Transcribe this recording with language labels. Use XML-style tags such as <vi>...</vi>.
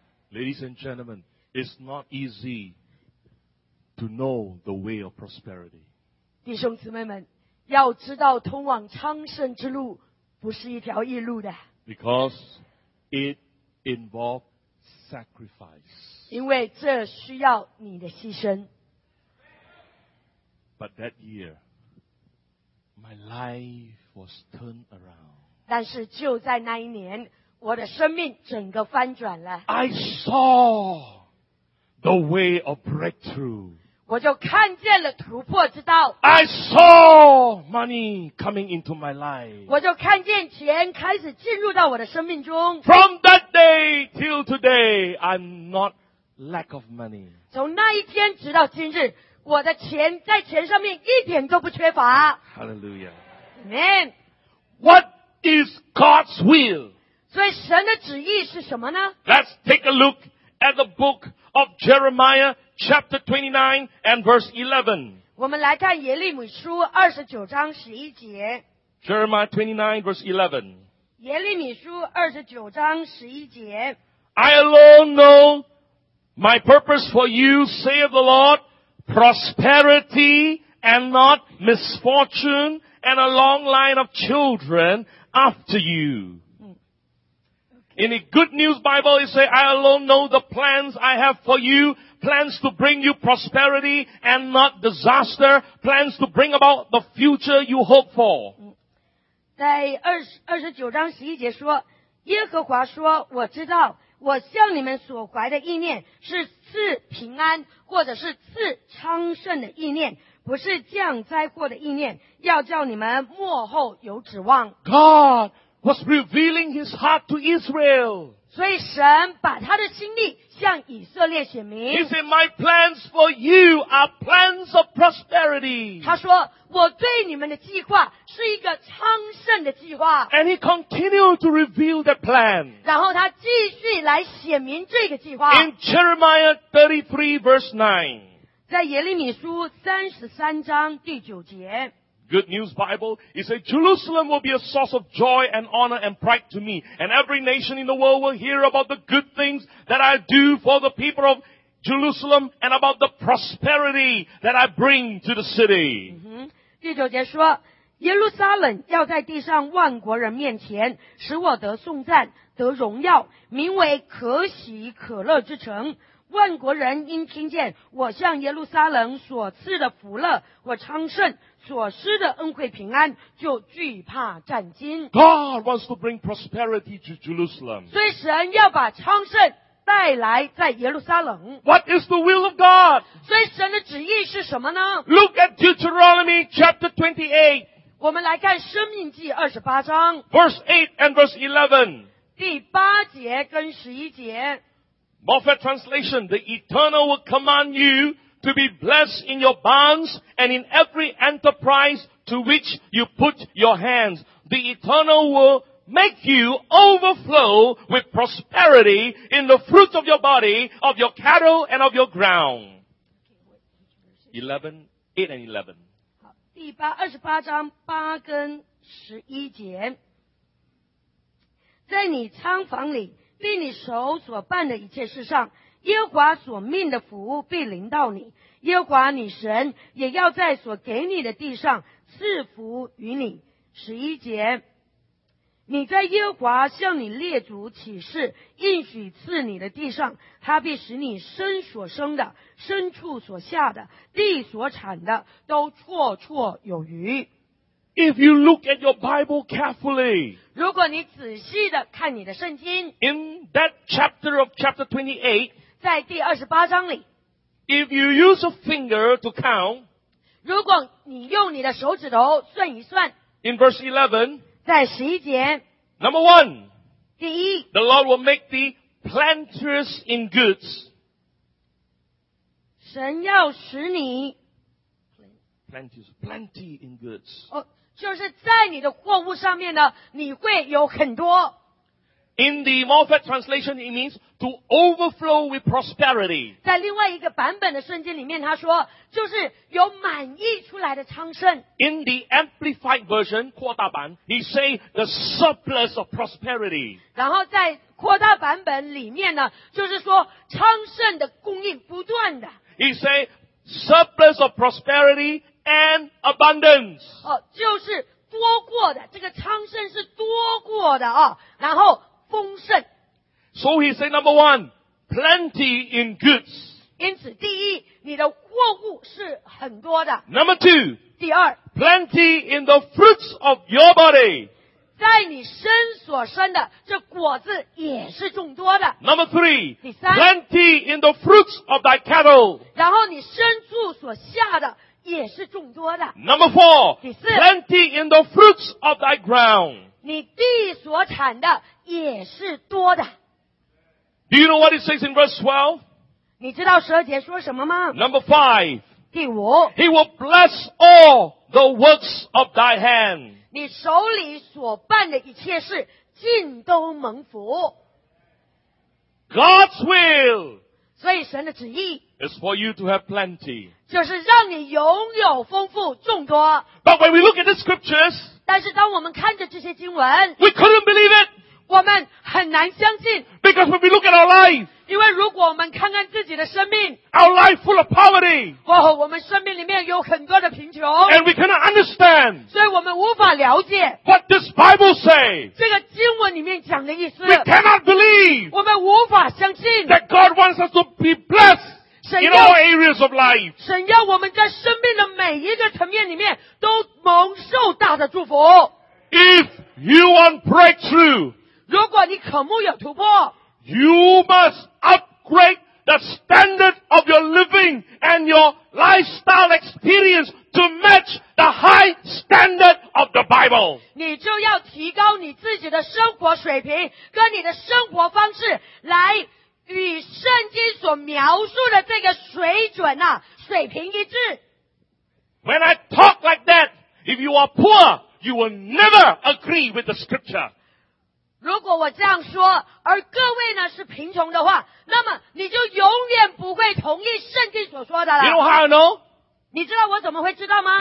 <en>Ladies and gentlemen, it's not easy to know the way of prosperity.</en> <zh>弟兄姊妹们，要知道通往昌盛之路不是一条易路的。</zh> <en>Because it involves sacrifice.</en> <zh>因为这需要你的牺牲。</zh> <en>But that year, my life was turned around.</en> <zh>但是就在那一年，我的生命整个翻转了。</zh> <en>I saw the way of breakthrough.</en> <zh>我就看见了突破之道。</zh> <en>I saw money coming into my life.</en> <zh>我就看见钱开始进入到我的生命中。</zh> <en>From that day till today, I'm not lack of money.</en> <zh>从那一天直到今日，我的钱在钱上面一点都不缺乏。</zh> <en>Hallelujah. Amen. What is God's will?</en> <zh>所以神的旨意是什么呢？</zh> <en>Let's take a look at the book of Jeremiah. Chapter 29 and verse 11.</en> <zh>我们来看耶利米书二十九章十一节。</zh> <en>Jeremiah 29 verse 11.</en> <zh>耶利米书二十九章十一节。</zh> <en>I alone know my purpose for you, saith the Lord, prosperity and not misfortune, and a long line of children after you. In the Good News Bible, it says, I alone know the plans I have for you, plans to bring you prosperity and not disaster, plans to bring about the future you hope for.</en> <zh>在29章11节说，耶和华说，我知道我向你们所怀的意念是赐平安或者是赐昌盛的意念，不是降灾祸的意念，要叫你们末后有指望。</zh> <en>Godwas revealing his heart to Israel.</en> <zh>所以神把他的心意向以色列显明。</zh> <en>He said, my plans for you are plans of prosperity.</en> <zh>他说，我对你们的计划是一个昌盛的计划。</zh> <en>And he continued to reveal that plan.</en> <zh>然后他继续来显明这个计划。</zh> <en>In Jeremiah 33 verse 9.</en> <zh>在耶利米书33章第九节。</zh> <en>Good News Bible, it says, Jerusalem will be a source of joy and honor and pride to me, and every nation in the world will hear about the good things that I do for the people of Jerusalem and about the prosperity that I bring to the city.</en> <zh>第九节说，耶路撒冷要在地上万国人面前使我得颂赞，得荣耀，名为可喜可乐之城。万国人应听见我向耶路撒冷所赐的福乐和昌盛，所施的恩惠平安，就惧怕战惊。</zh> <en>God wants to bring prosperity to Jerusalem.</en> <zh>所以神要把昌盛带来在耶路撒冷。</zh> <en>What is the will of God?</en> <zh>所以神的旨意是什么呢？</zh> <en>Look at Deuteronomy chapter 28.</en> <zh>我们来看生命记二十八章。</zh> <en>Verse 8 and verse 11.</en> <zh>第八节跟十一节。</zh> <en>Moffat translation, the Eternal will command you to be blessed in your barns and in every enterprise to which you put your hands. The Eternal will make you overflow with prosperity in the fruit of your body, of your cattle and of your ground. 11, 8 and 11.</en> <zh>第八二十八章八跟十一节，在你仓房里，并你手所办的一切事上，耶和华所命的福必临到你，耶和华你神也要在所给你的地上赐福于你。十一节，你在耶和华向你列祖起誓应许赐你的地上，他必使你身所生的、牲畜所下的、地所产的都绰绰有余。</zh> <en>If you look at your Bible carefully,</en> <zh>如果你仔细地看你的圣经，</zh> <en>in that chapter of chapter 28,</en> <zh>在第二十八章里，</zh> <en>if you use a finger to count,</en> <zh>如果你用你的手指头算一算，</zh> <en>in verse 11,</en> <zh>在十一节，</zh> <en>number one,</en> <zh>第一，</zh> <en>the Lord will make thee plenteous in goods.</en> <zh>神要使你</zh> <en>Plenty in goods.</en> <zh>就是在你的货物上面呢，你会有很多。</zh> <en>In the Moffat translation, it means to overflow with prosperity.</en> <zh>在另外一个版本的圣经里面，他说就是有满溢出来的昌盛。</zh> <en>In the Amplified version,</en> <zh>扩大版，</zh> <en>he say the surplus of prosperity.</en> <zh>然后在扩大版本里面呢，就是说昌盛的供应不断的。</zh> <en>He say surplus of prosperity. And abundance.</en> <zh>就是多过的，这个昌盛是多过的啊，然后丰盛。</zh> <en>So he said, number one, plenty in goods.</en> <zh>因此，第一，你的货物是很多的。</zh> <en>Number two,</en> <zh>第二</zh> <en>plenty in the fruits of your body.</en> <zh>在你身所生的这果子也是众多的。</zh> <en>Number three,</en> <zh>第三</zh> <en>plenty in the fruits of thy cattle.</en> <zh>然后你牲畜所下的。也是众多的。</zh> <en>Number four,</en> <zh>第四</zh> <en>plenty in the fruits of thy ground.</en> <zh>你地所产的也是多的。</zh> <en>Do you know what it says in verse 12?</en> <zh>你知道十二节说什么吗？</zh> <en>Number five,</en> <zh>第五</zh> <en>He will bless all the works of thy hand.</en> <zh>你手里所办的一切事尽都蒙福。</zh> <en>God's will.</en> <zh>所以神的旨意</zh> <en>is for you to have plenty.</en> <zh>就是让你拥有丰富众多。</zh> <en>But when we look at the scriptures,</en> <zh>但是当我们看着这些经文，</zh> <en>we couldn't believe it.</en> <zh>我们很难相信。</zh> <en>Because when we look at our life,</en> <zh>因为如果我们看看自己的生命，</zh> <en>our life full of poverty.</en> <zh>我们生命里面有很多的贫穷。</zh> <en>And we cannot understand.</en> <zh>所以我们无法了解。</zh> <en>What does Bible say?</en> <zh>这个经文里面讲的意思。</zh> <en>We cannot believe.</en> <zh>我们无法相信。</zh> <en>That God wants us to be blessed. In all areas of life.</en> <zh>神要我们在生命的每一个层面里面都蒙受大的祝福。</zh> <en>If you want breakthrough,</en> <zh>如果你渴慕有突破，</zh> <en>you must upgrade the standard of your living and your lifestyle experience to match the high standard of the Bible.</en> <zh>你就要提高你自己的生活水平跟你的生活方式来与圣经所描述的这个水准啊，水平一致。</zh> <en>When I talk like that, if you are poor, you will never agree with the scripture.</en> <zh>如果我这样说，而各位呢是贫穷的话，那么你就永远不会同意圣经所说的了。</zh> <en>You know how I know?</en> <zh>你知道我怎么会知道吗？</zh>